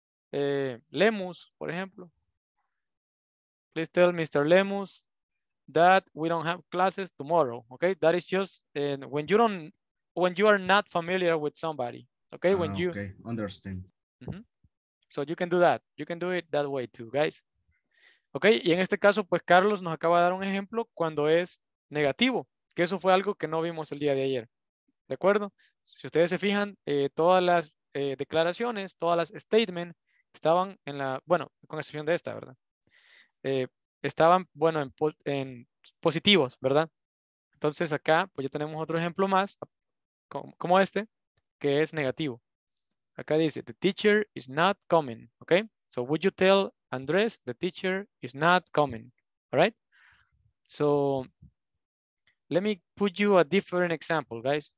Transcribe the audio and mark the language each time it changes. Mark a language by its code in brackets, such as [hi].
[en] Lemus, [es] por ejemplo. [en] Please tell Mr. Lemus that we don't have classes tomorrow, okay? That is just when you are not familiar with somebody, okay? Understand. Mm-hmm. So you can do that. You can do it that way too, guys. [es] Okay, y en este caso, pues Carlos nos acaba de dar un ejemplo cuando es negativo, que eso fue algo que no vimos el día de ayer, ¿de acuerdo? Si ustedes se fijan, todas las declaraciones, todas las statements estaban en la, bueno, con excepción de esta, ¿verdad? Estaban, bueno, en positivos, ¿verdad? Entonces acá, pues ya tenemos otro ejemplo más, como este, que es negativo. Acá dice, [en] the teacher is not coming, okay? So would you tell Andrés, the teacher is not coming, all right? So, let me put you a different example, guys.